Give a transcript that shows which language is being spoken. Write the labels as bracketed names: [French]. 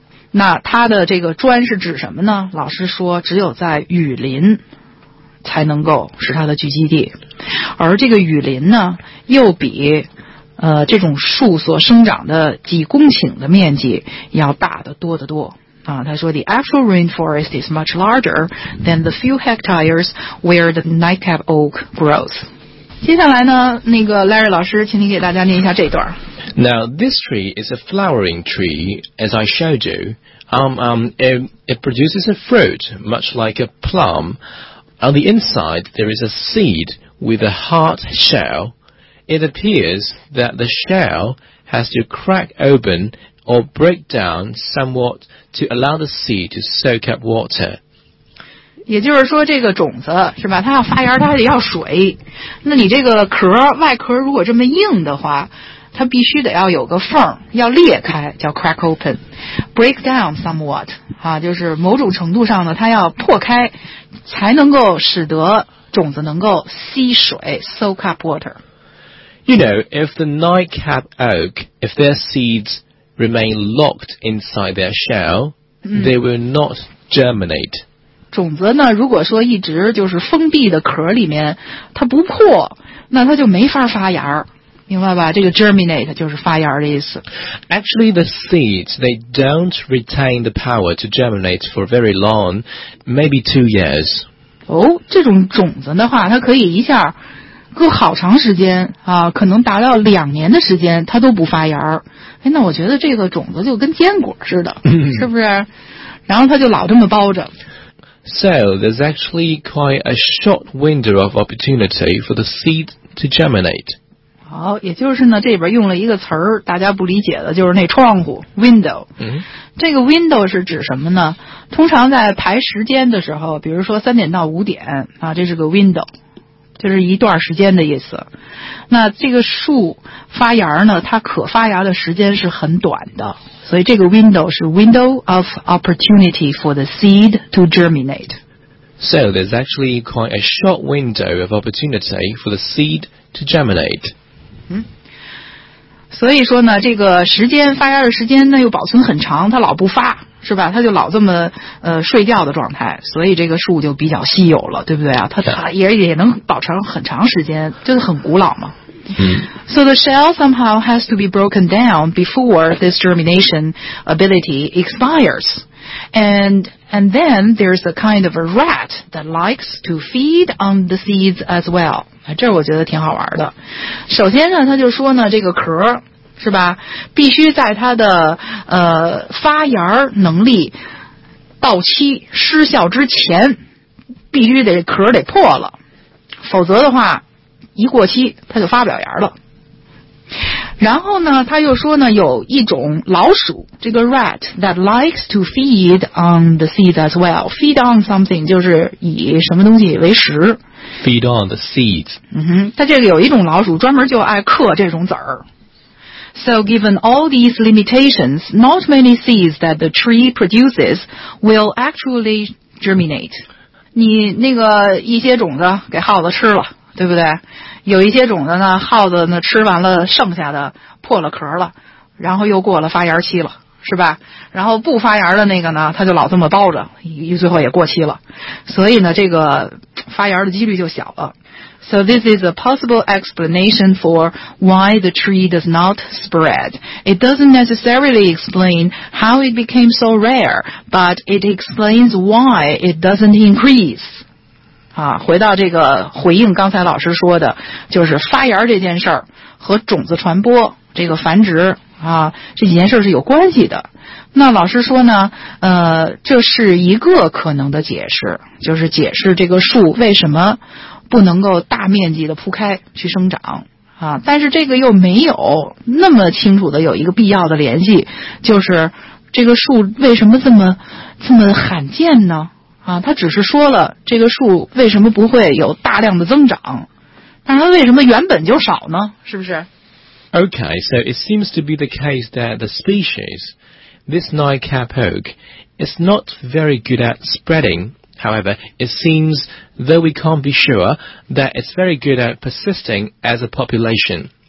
[Chinese] 那它的这个专是指什么呢？老师说只有在雨林才能够是它的聚集地，而这个雨林呢又比这种树所生长的几公顷的面积要大得多得多啊。他说 [English] ，The actual rainforest is much larger than the few hectares where the nightcap oak grows. [Chinese] 接下来呢，那个 Larry 老师，请你给大家念一下这段。 [English] Now this tree is a flowering tree, as I showed you. It produces a fruit much like a plum. On the inside, there is a seed with a hard shell. It appears that the shell has to crack open or break down somewhat to allow the seed to soak up water. [Chinese] 也就是说这个种子是吧，它要发芽它还得要水。那你这个壳外壳如果这么硬的话，它必须得要有个缝要裂开，叫 [English] crack open, break down somewhat, [Chinese] 啊，就是某种程度上呢它要破开才能够使得种子能够吸水 [English] soak up water. You know, if the nightcap oak, if their seeds remain locked inside their shell, they will not germinate. [Chinese] 种子呢，如果说一直就是封闭的壳里面，它不破，那它就没法发芽，明白吧？这个 germinate 就是发芽的意思。 [English] Actually, the seeds, they don't retain the power to germinate for very long, maybe 2 years. [Chinese] 哦，这种种子的话，它可以一下搁好长时间啊，可能达到2年的时间，它都不发芽。哎，那我觉得这个种子就跟坚果似的，是不是？然后它就老这么包着。 [English] So, there's actually quite a short window of opportunity for the seed to germinate. [Chinese] 好，也就是呢，这边用了一个词儿，大家不理解的，就是那窗户 ,window。 Mm-hmm. 这个 window 是指什么呢？通常在排时间的时候，比如说3点到5点，啊，这是个 window。就是一段时间的意思。那这个树发芽呢，它可发芽的时间是很短的。所以这个 [English] window [Chinese] 是 [English] window of opportunity for the seed to germinate. So there's actually quite a short window of opportunity for the seed to germinate. [Chinese] 所以说呢，这个时间发芽的时间呢又保存很长，它老不发，是吧？它就老这么睡觉的状态，所以这个树就比较稀有了，对不对啊？它也能保存很长时间，就是很古老嘛。 [English] So the shell somehow has to be broken down before this germination ability expires. And then there's a kind of a rat that likes to feed on the seeds as well. [Chinese] 这我觉得挺好玩的。首先呢，他就说呢，这个壳是吧，必须在它的发芽能力到期失效之前，必须得壳得破了，否则的话一过期它就发不了芽了。然后呢，他又说呢，有一种老鼠，这个 [English] rat that likes to feed on the seeds as well. Feed on something [Chinese] 就是以什么东西为食。 [English] Feed on the seeds. [Chinese] 它这个有一种老鼠专门就爱嗑这种籽儿。 [English] So given all these limitations, not many seeds that the tree produces will actually germinate. [Chinese] 你那个一些种子给耗子吃了，对不对？有一些种子呢，耗子呢吃完了剩下的破了壳了，然后又过了发芽期了，是吧？然后不发芽的那个呢，它就老这么包着，最后也过期了。所以呢，这个发芽的几率就小了。 [English] So this is a possible explanation for why the tree does not spread. It doesn't necessarily explain how it became so rare, but it explains why it doesn't increase. [Chinese] 啊，回到这个回应刚才老师说的，就是发芽这件事儿和种子传播这个繁殖啊这几件事是有关系的。那老师说呢，这是一个可能的解释，就是解释这个树为什么不能够大面积的铺开去生长啊，但是这个又没有那么清楚的有一个必要的联系，就是这个树为什么这么罕见呢？啊，他只是说了这个树为什么不会有大量的增长，但是它为什么原本就少呢？是不是 [English] ？Okay, so it seems to be the case that the species this nightcap oak is not very good at spreading. However, it seems, though we can't be sure, that it's very good at persisting as a population.